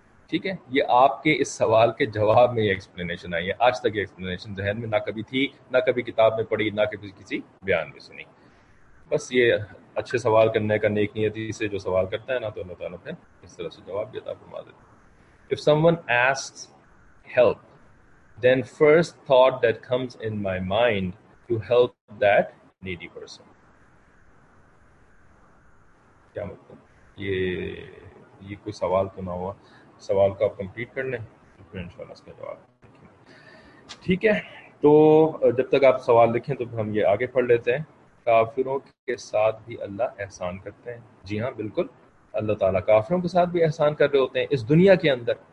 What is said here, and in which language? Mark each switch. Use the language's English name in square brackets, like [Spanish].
[Urdu] ٹھیک ہے, یہ آپ کے اس سوال کے جواب میں یہ ایکسپلینیشن آئی ہے. آج تک یہ ایکسپلینیشن ذہن میں نہ کبھی تھی, نہ کبھی کتاب میں پڑھی, نہ کبھی کسی بیان میں سنی. بس یہ اچھے سوال کرنے کا نیک نیتی سے جو سوال کرتا ہے نا, تو اللہ تعالیٰ پھر اس طرح سے جواب بھی عطا فرما دیتا. [English] If someone asks help, then first thought that comes in my mind to help that needy person. [Urdu] کیا مطلب, یہ کوئی سوال تو نہ ہوا, سوال کو آپ کمپلیٹ کر لیں پھر ان شاء اللہ اس کا جواب. ٹھیک ہے, تو جب تک آپ سوال لکھیں تو ہم یہ آگے پڑھ لیتے ہیں. کافروں کے ساتھ بھی اللہ احسان کرتے ہیں. جی ہاں بالکل, اللہ تعالیٰ کافروں کے ساتھ بھی احسان کر رہے ہوتے ہیں اس دنیا کے اندر.